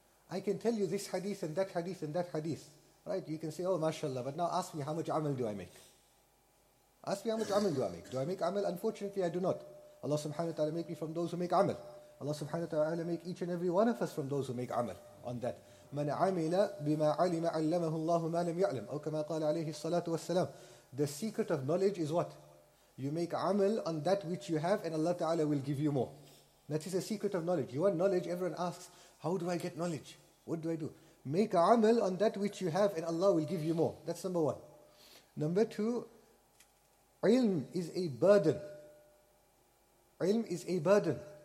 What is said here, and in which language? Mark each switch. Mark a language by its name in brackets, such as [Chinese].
[English] I can tell you this hadith and that hadith and that hadith. Right? You can say, oh, mashallah, but now ask me how much amal do I make? Ask me how much amal do I make? Do I make amal? Unfortunately, I do not. Allah subhanahu wa ta'ala make me from those who make amal. Allah subhanahu wa ta'ala make each and every one of us from those who make amal on that. [Arabic] مَنْ عَمِلَ بِمَا عَلِمَ عَلَّمَهُ اللَّهُ مَا لَمْ يَعْلَمُ أو كما قال عليه الصلاة والسلام. [English] The secret of knowledge is what? You make amal on that which you have and Allah ta'ala will give you more. That is the secret of knowledge. You want knowledge, everyone asks, how do I get knowledge? What do I do? Make amal on that which you have and Allah will give you more. That's number one. Number two, ilm is a burden. Ilm is a burden.